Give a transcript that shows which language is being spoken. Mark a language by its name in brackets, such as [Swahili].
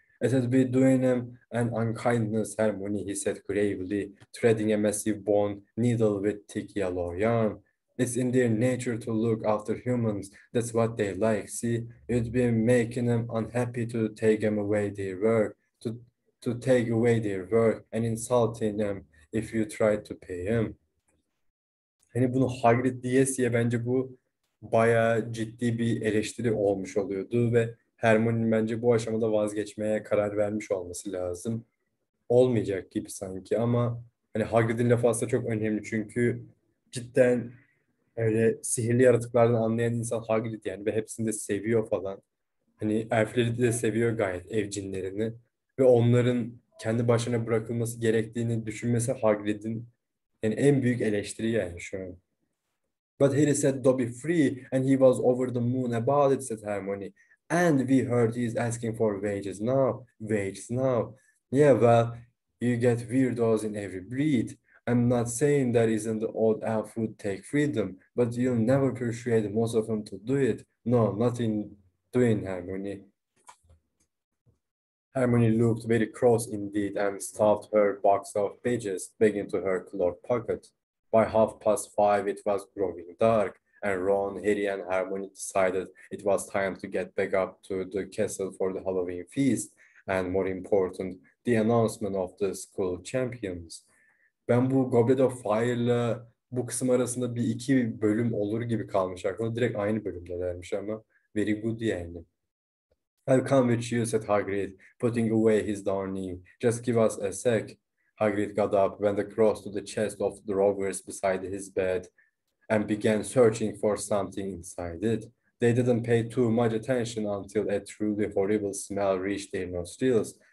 [English] It had been doing him an unkindness, Hermione, he said gravely, threading a massive bone needle with thick yellow yarn. It's in their nature to look after humans. That's what they like, see? It'd be making them unhappy to take them away their work, to take away their work and insulting them if you try to pay them. [Turkish] Hani bunu Hagrid diyesiye bence bu bayağı ciddi bir eleştiri olmuş oluyordu ve Hermione'nin bence bu aşamada vazgeçmeye karar vermiş olması lazım. Olmayacak gibi sanki ama hani Hagrid'in lafı aslında çok önemli çünkü cidden öyle sihirli yaratıklardan anlayan insan Hagrid yani ve hepsini de seviyor falan. Hani elfleri de seviyor gayet evcinlerini ve onların kendi başına bırakılması gerektiğini düşünmesi Hagrid'in yani en büyük eleştiri yani şu an. [English] But Harry said Dobby free and he was over the moon about it, said Hermione. And we heard he's asking for wages now. Wages now. Yeah, well, you get weirdos in every breed. I'm not saying that isn't the old elf who'd take freedom, but you'll never persuade most of them to do it. No, not in doing Hermione. Hermione looked very cross indeed and stuffed her box of pages back into her cloak pocket. By 5:30, it was growing dark. And Ron, Harry, and Hermione decided it was time to get back up to the castle for the Halloween feast, and more important, the announcement of the school champions. [Turkish] Ben bu Goblet of Fire'la bu kısım arasında bir iki bölüm olur gibi kalmış aklımda. Direkt aynı bölümde dermiş ama [English] very good [Turkish] yani. [English] I'll come with you, said Hagrid, putting away his darning. Just give us a sec. Hagrid got up, went across to the chest of drawers beside his bed, and began searching for something inside it. They didn't pay too much attention until a truly horrible smell reached their nostrils.